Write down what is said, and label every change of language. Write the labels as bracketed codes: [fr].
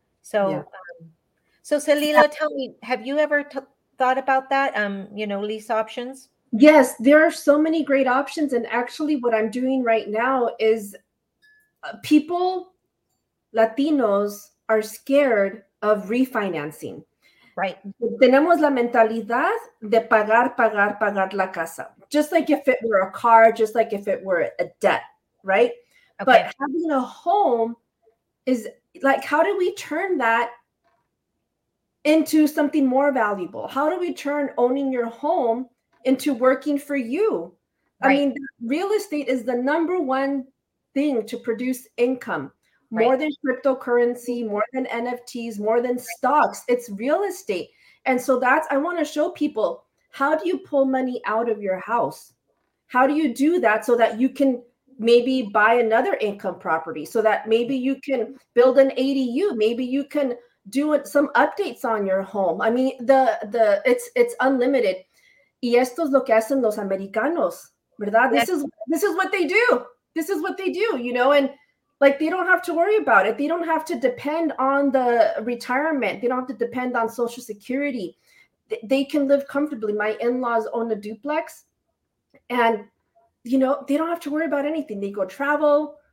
[en] So, so Celila, tell me, have you ever thought about that? You know, lease options? Yes, there are so many great options. And actually what I'm doing right now is people, Latinos, are scared of refinancing. Right. [es] Tenemos la mentalidad de pagar, pagar, pagar la casa. [en] Just like if it were a car, just like if it were a debt, right? Okay. But having a home is like, how do we turn that into something more valuable? How do we turn owning your home into working for you? Right. I mean, real estate is the number one thing to produce income. More than cryptocurrency, more than NFTs, more than stocks, it's real estate. And so that's, I want to show people, how do you pull money out of your house? How do you do that so that you can maybe buy another income property, so that maybe you can build an ADU, maybe you can do some updates on your home. I mean, it's unlimited. [es] Y esto es lo que hacen los americanos, ¿verdad? [en] This is what they do. This is what they do, you know, and like, they don't have to worry about it. They don't have to depend on the retirement. They don't have to depend on Social Security. They can live comfortably. My in-laws own a duplex. And, you know, they don't have to worry about anything. They go travel.